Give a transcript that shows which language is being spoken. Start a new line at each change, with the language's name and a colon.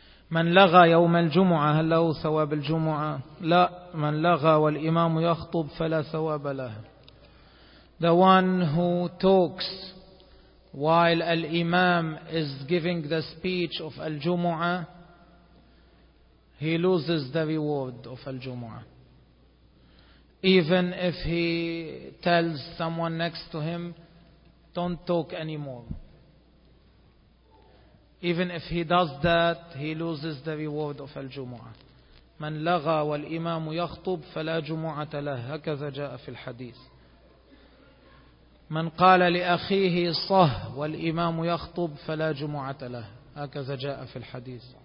Arabic: من لغى يوم الجمعة هل له ثواب الجمعة؟ لا. من لغى والإمام يخطب فلا ثواب له.
English: The one who talks while al-imam is giving the speech of al-jumu'ah, he loses the reward of al-jumu'ah. Even if he tells someone next to him, don't talk anymore. Even if he does that, he loses the reward of al-jumu'ah.
Arabic: من لغى والإمام يخطب فلا جمعة له. هكذا جاء في الحديث. من قال لأخيه صه والإمام يخطب فلا جمعة له. هكذا جاء في الحديث.